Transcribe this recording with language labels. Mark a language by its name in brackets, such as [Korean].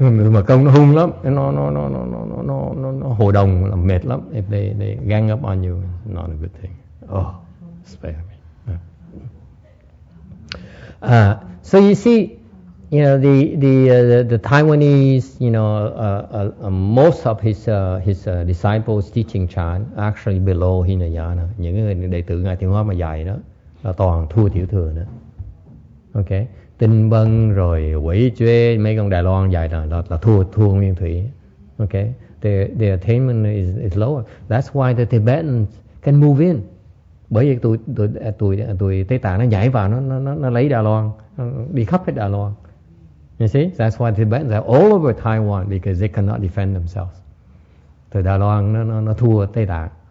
[Vietnamese] mà công nó hung lắm, nó hồ đồng là mệt lắm. [English] If they gang up on you, not a good thing. Oh, spare me. So you see, you know, the Taiwanese, you know, most of his disciples teaching Chan actually below Hinayana. [Vietnamese] Những người đệ tử ngài Thiện Hóa mà dạy đó là toàn thua tiểu thừa đó. Okay, Tinh Vân rồi Quỷ Chuê mấy con Đài Loan dạy là thua nguyên thủy. [English] Okay, the attainment is lower. That's why the Tibetans can move in. [Vietnamese] Bởi vì tụi Tây Tạng nó nhảy vào nó lấy Đài Loan, đi khắp hết Đài Loan. [English] You see, that's why the Tibetans are all over Taiwan because they cannot defend themselves. [Vietnamese] Từ Đài Loan nó thua Tây Tạng.